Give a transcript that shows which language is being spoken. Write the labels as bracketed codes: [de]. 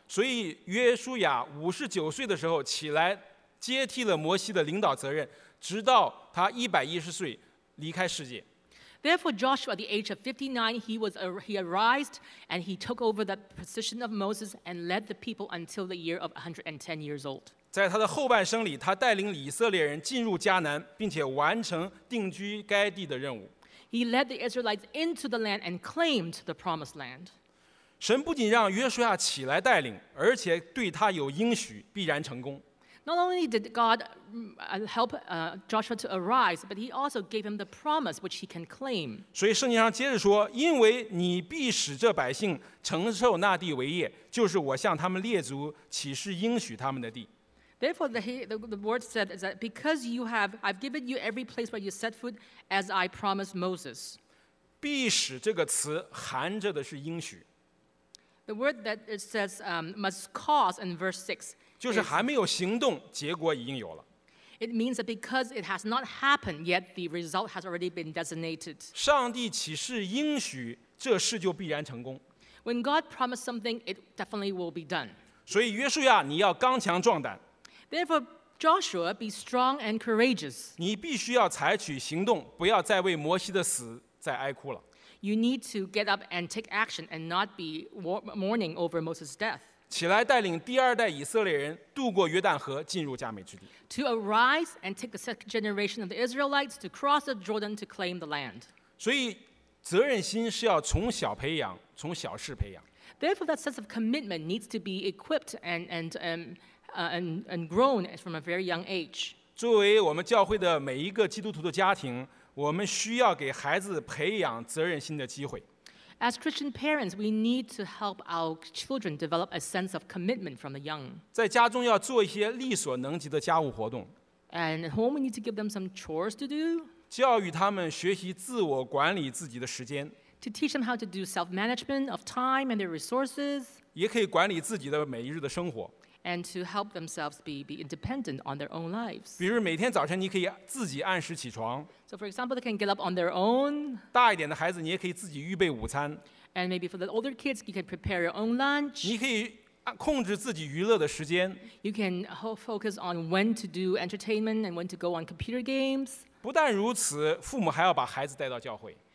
[zh] 所以约书亚五十九岁的时候起来接替了摩西的领导责任，直到他一百一十岁离开世界。 [en] Therefore, Joshua, at the age of 59, he arised and he took over the position of Moses and led the people until the year of 110 years old. [zh] 在他的后半生里，他带领以色列人进入迦南，并且完成定居该地的任务。 [en] He led the Israelites into the land and claimed the promised land. [zh] 神不仅让约书亚起来带领，而且对他有应许，必然成功。 [en] Not only did God help Joshua to arise, but he also gave him the promise which he can claim. [zh] 所以圣经上接着说，因为你必使这百姓承受那地为业，就是我向他们列祖起誓应许他们的地。 [en] Therefore, the word said is that because you have, I've given you every place where you set foot as I promised Moses. [zh] 必使这个词含着的是应许。 [en] The word that it says must cause in verse 6 [zh] 就是还没有行动，结果已经有了。 [en] It means that because it has not happened yet, the result has already been designated. [zh] 上帝岂是应许这事就必然成功？ [en] When God promised something, it definitely will be done. [zh] 所以约书亚，你要刚强壮胆。 [en] Therefore, Joshua, be strong and courageous. [zh] 你必须要采取行动，不要再为摩西的死再哀哭了。 [en] You need to get up and take action and not be mourning over Moses' death. [zh] 起来带领第二代以色列人渡过约旦河进入迦美之地。 [en] To arise and take the second generation of the Israelites to cross the Jordan to claim the land. [zh] 所以责任心是要从小培养，从小事培养。 [en] Therefore, that sense of commitment needs to be equipped and grown from a very young age. [zh] 作为我们教会的每一个基督徒的家庭，我们需要给孩子培养责任心的机会。 [en] As Christian parents, we need to help our children develop a sense of commitment from the young. [zh] 在家中要做一些力所能及的家务活动。 [en] And at home, we need to give them some chores to do. [zh] 教育他们学习自我管理自己的时间。 [en] to teach them how to do self-management of time and their resources, [zh] 也可以管理自己的每一日的生活。 [en] And to help themselves be independent on their own lives. [zh] 比如每天早晨你可以自己按时起床。 [en] So for example, they can get up on their own. [zh] 大一点的孩子你也可以自己预备午餐。 [en] And maybe for the older kids, you can prepare your own lunch. [zh] 你可以控制自己娱乐的时间。 [en] You can focus on when to do entertainment and when to go on computer games. [zh] 不但如此，父母还要把孩子带到教会。